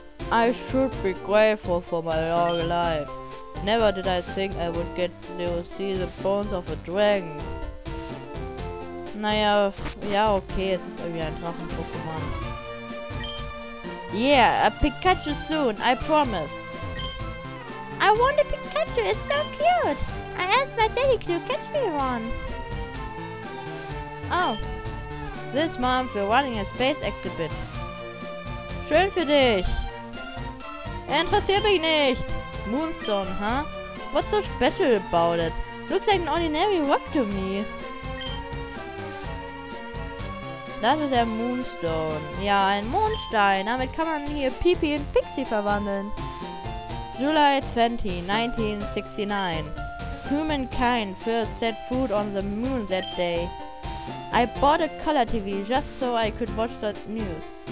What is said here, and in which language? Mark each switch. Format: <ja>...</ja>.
<en>I should be grateful for my long life. Never did I think I would get to see the bones of a dragon.</en> <de>Naja, ja, okay, es ist irgendwie ein Drachen-Pokémon.</de> <en>Yeah, a Pikachu soon, I promise. I want a Pikachu, it's so cute. I asked my daddy to catch me one. Oh. This month we're running a space exhibit.</en> <de>Schön für dich. Interessiert mich nicht.</de> <en>Moonstone, huh? What's so special about it? Looks like an ordinary rock to me.</en> <de>Das ist der Moonstone. Ja, ein Mondstein. Damit kann man hier Pipi in Pixie verwandeln.</de> <en>July 20, 1969. Humankind first set foot on the moon that day. I bought a color TV just so I could watch the news.</en>